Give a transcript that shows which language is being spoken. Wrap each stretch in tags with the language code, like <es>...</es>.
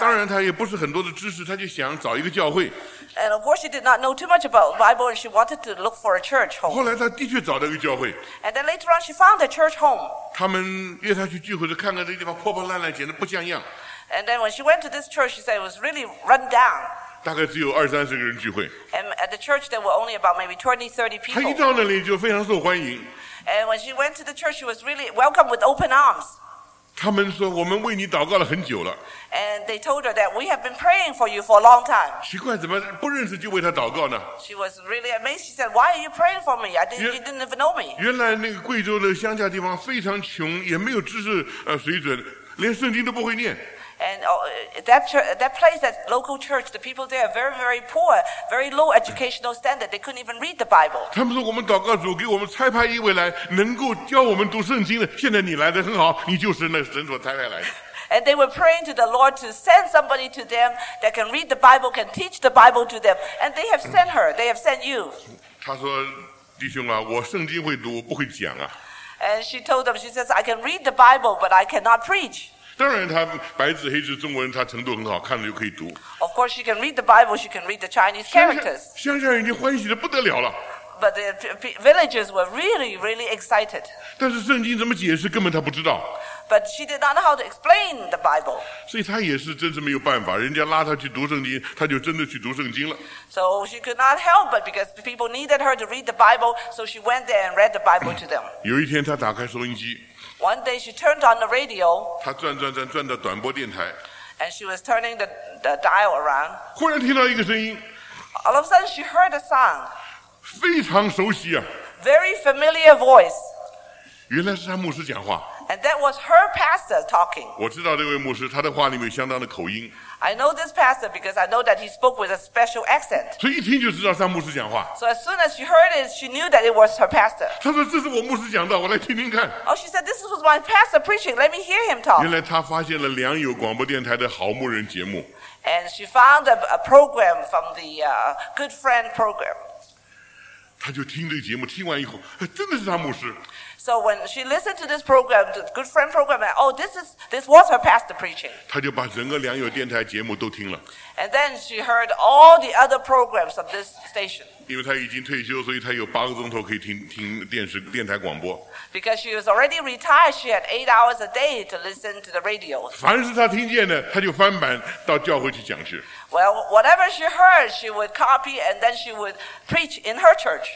<zh>当然，她也不是很多的知识，她就想找一个教会。</zh> <en>And of course, she did not know too much about Bible, and she wanted to look for a church home.</en> <zh>后来，她的确找到一个教会。</zh> <en>And then later on, she found a church home.</en> <zh>他们约她去聚会，就看看这地方破破烂烂，简直不像样。</zh> <en>And then when she went to this church, she said it was really run down.</en> <zh>大概只有二三十个人聚会。</zh> <en>And at the church, there were only about maybe 20, 30 people.</en> <zh>她一到那里就非常受欢迎。</zh> <en>And when she went to the church, she was really welcomed with open arms.</en> <zh>他们说我们为你祷告了很久了。</zh> <en>And they told her that we have been praying for you for a long time.</en> <zh>奇怪，怎么不认识就为他祷告呢</zh> <en>？She was really amazed. She said, "Why are you praying for me? You didn't even know me."</en> <zh>原来那个贵州的乡下地方非常穷，也没有知识水准，连圣经都不会念。</zh> <en>And that place, that local church, the people there are very, very poor, very low educational standard. They couldn't even read the Bible.</en> <zh>他们说我们祷告主给我们差派一位来，能够教我们读圣经的。现在你来的很好，你就是那神所差派来的。</zh> <en>And they were praying to the Lord to send somebody to them that can read the Bible, can teach the Bible to them. And they have sent her. They have sent you.</en> <zh>他说，弟兄啊，我圣经会读，我不会讲啊。</zh> <en>And she told them, she says, I can read the Bible, but I cannot preach.</en> <zh>当然，他白纸黑字中文，他程度很好，看了就可以读。</zh> <en>Of course, she can read the Bible. She can read the Chinese characters.</en> <zh>乡下人就欢喜的不得了了。</zh> <en>But the villagers were really, really excited.</en> <zh>但是圣经怎么解释，根本他不知道。</zh> <en>But she did not know how to explain the Bible.</en> <zh>所以他也是真是没有办法，人家拉他去读圣经，他就真的去读圣经了。</zh> <en>So she could not help but because people needed her to read the Bible, so she went there and read the Bible to them.</en> <zh>有一天，他打开收音机。</zh> <en>One day she turned on the radio.</en> <zh>她转到短波电台。</zh> <en>And she was turning the dial around.</en> <zh>忽然听到一个声音。</zh> <en>All of a sudden she heard a sound.</en> <zh>非常熟悉啊。</zh> <en>Very familiar voice.</en> <zh>原来是她牧师讲话。</zh> <en>And that was her pastor talking.</en> <zh>我知道这位牧师，他的话里面相当的口音。</zh> <en>I know this pastor because I know that he spoke with a special accent.</en> <zh>所以一听就知道是牧师讲话。</zh> <en>So as soon as she heard it, she knew that it was her pastor.</en> <zh>他说这是我牧师讲的，我来听听看。</zh> <en>Oh, she said this was my pastor preaching. Let me hear him talk.</en> <zh>原来他发现了良友广播电台的好牧人节目。</zh> <en>And she found a program from the Good Friend program.</en> <zh>他就听这个节目，听完以后，真的是他牧师。</zh> <en>So when she listened to this program, the Good Friend program, and, oh, this was her pastor preaching.</en> <zh>她就把整个良友电台节目都听了。</zh> <en>And then she heard all the other programs of this station.</en> <zh>因为她已经退休，所以她有八个钟头可以听电台广播。</zh> <en>Because she was already retired, she had 8 hours a day to listen to the radio.</en> <zh>凡是她听见的，她就翻版到教会去讲去。</zh> <en>Well, whatever she heard, she would copy and then she would preach in her church.</en>